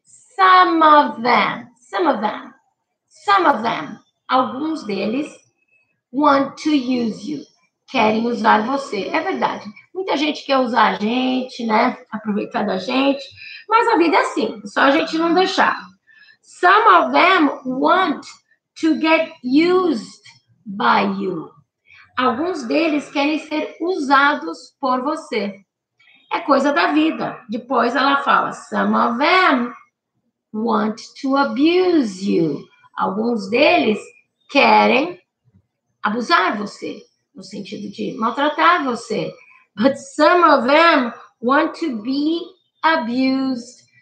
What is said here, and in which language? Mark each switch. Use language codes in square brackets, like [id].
[en] Some of them. Some of them. Some of them. [pt] Alguns deles [en] want to use you. [pt] Querem usar você. É verdade. Muita gente quer usar a gente, né? Aproveitar da gente. Mas a vida é assim, só a gente não deixar. [en] Some of them want to get used by you. [pt] Alguns deles querem ser usados por você. É coisa da vida. Depois ela fala, [en] some of them want to abuse you. [pt] Alguns deles querem abusar você, no sentido de maltratar você. [en] But some of them want to be abused.